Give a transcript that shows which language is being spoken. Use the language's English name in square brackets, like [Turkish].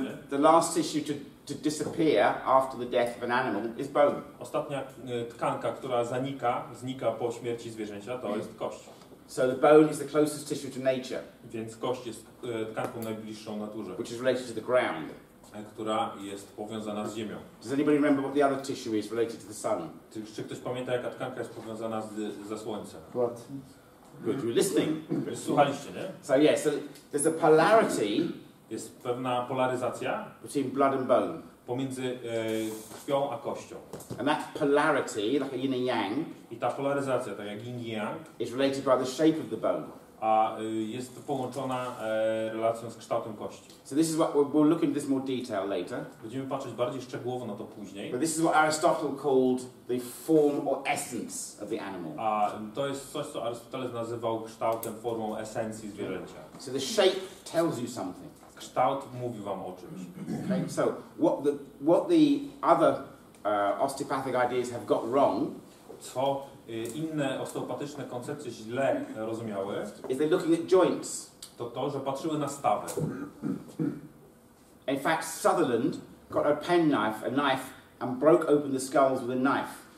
[English] the last tissue to disappear after the death of an animal is bone. [Polish] Ostatnia tkanka, która znika po śmierci zwierzęcia, to jest kość. [English] So the bone is the closest tissue to nature. [Polish] Więc kość jest tkanką najbliższą naturze. [English] Which is related to the ground. [Polish] Która jest powiązana z ziemią. [English] Does anybody remember what the other tissue is related to the sun? [Polish] Czy ktoś pamięta, jaka tkanka jest powiązana ze słońcem? [English] What? Good, you're listening. [Polish] Słuchaliście, nie? [English] So yeah, so there's a polarity. [Polish] Jest pewna polaryzacja [English] between blood and bone. [Polish] Pomiędzy krwią a kością. [English] And that polarity, like a yin and yang, [Polish] i ta polaryzacja, tak jak yin i yang, [English] is related by the shape of the bone. [Polish] A jest połączona relacją z kształtem kości. [English] So this is what we'll look into this more detail later. [Polish] Będziemy patrzeć bardziej szczegółowo na to później. [English] But this is what Aristotle called the form or essence of the animal. [Polish] A to jest coś, co Arystoteles nazywał kształtem, formą, esencji zwierzęcia. [English] So the shape tells you something. [Polish] Kształt mówi wam o czymś. [English] Okay, so what the other osteopathic ideas have got wrong, [Polish] co inne osteopatyczne koncepcje źle rozumiały, [English] is they looking at joints. [Polish] To, że patrzyły na stawy. [English] In fact, Sutherland got a knife, and broke open the skulls with a knife.